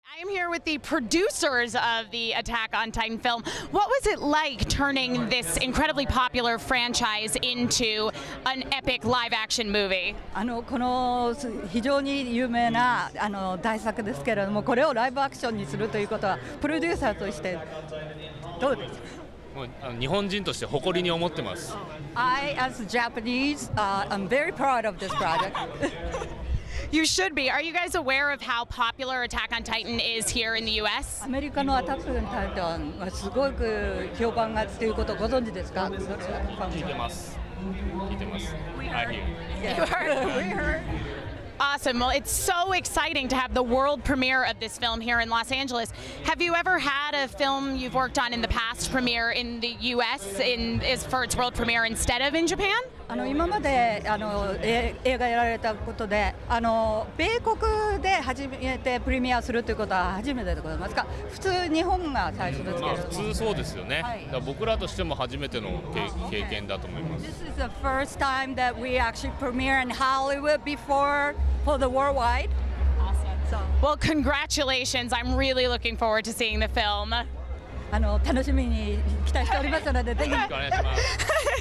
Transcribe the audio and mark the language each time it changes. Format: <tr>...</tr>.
<en>I am here with the producers of the Attack on Titan film. What was it like turning this incredibly popular franchise into an epic live-action movie?</en> <ja>この非常に有名な大作ですけれども、これをライブアクションにするということは、プロデューサーとしてどうですか？日本人として誇りに思ってます。</ja> <en>I, as a Japanese, I'm very proud of this project. You should be. Are you guys aware of how popular Attack on Titan is here in the US?</en> <ja>アメリカのアタックタイタンはすごく評判がつということをご存知ですか？聞いてます。</ja> <en>I hear. You heard? We heard. Awesome. Well, it's so exciting to have the world premiere of this film here in Los Angeles. Have you ever had a film you've worked on in the past premiere in the US for its world premiere instead of in Japan?</en> <ja>今まで映画やられたことで米国で初めてプレミアするということは初めてでございますか？普通日本が最初ですけど、普通そうですよね、はい、僕らとしても初めての経験だと思います。</ja> <en>This is the first time that we actually premiere in Hollywood before for the worldwide. Awesome. Well, congratulations. I'm really looking forward to seeing the film.</en> <ja>楽しみに期待しておりますので、ぜひよろしくお願いします。</ja>